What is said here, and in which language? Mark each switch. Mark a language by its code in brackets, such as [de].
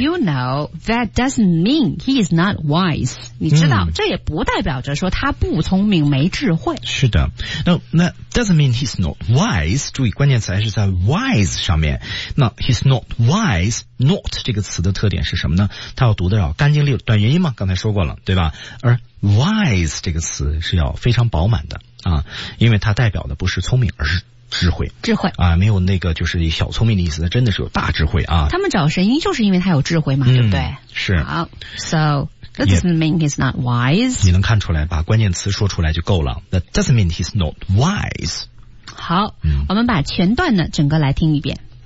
[en] You know that doesn't mean he is not wise. [zh] 你知道、嗯、这也不代表着说他不聪明没智慧。是的。 [en] No, that doesn't mean he's not wise. [zh] 注意关键词还是在 wise 上面。那 [en] he's not wise, [zh] not 这个词的特点是什么呢？它要读的要干净利落，短元音嘛，刚才说过了对吧。而 wise 这个词是要非常饱满的啊，因为它代表的不是聪明，而是智慧啊，没有那个就是小聪明的意思，真的是有大智慧啊。他们找神鹰就是因为他有智慧嘛、嗯、对不对？是。好， [en] So that doesn't mean he's not wise. [zh] 你能看出来，把关键词说出来就够了。 [en] That doesn't mean he's not wise. [zh] 好、嗯、我们把全段呢整个来听一遍。